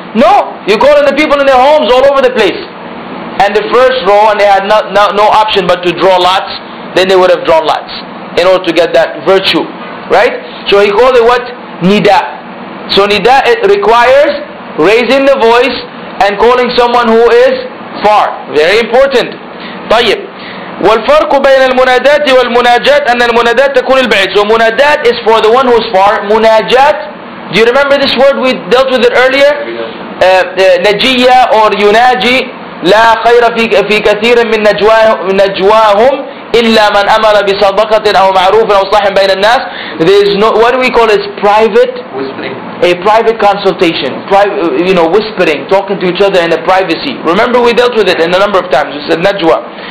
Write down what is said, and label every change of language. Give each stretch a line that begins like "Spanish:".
English: No, you're calling the people in their homes all over the place. And the first row, and they had no option but to draw lots, then they would have drawn lots in order to get that virtue, right? So he called it what? Nida. So nida, it requires raising the voice and calling someone who is far. Very important. طيب.
Arabic: والفرق بين المنادات والمناجات أن المنادات تكون البعيد.
English: So منادات is for the one who is far. مناجات, do you remember this word? We dealt with it earlier.
Arabic: نجية or يناجي. لا خير في كثير من نجواهم إلا من أمر بصدقة أو معروف أو صلح بين الناس.
English: There is no, what do we call it? Private whispering. A private consultation. Private, you know, whispering, talking to each other in a privacy. Remember, we dealt with it in a number of times. We said najwa.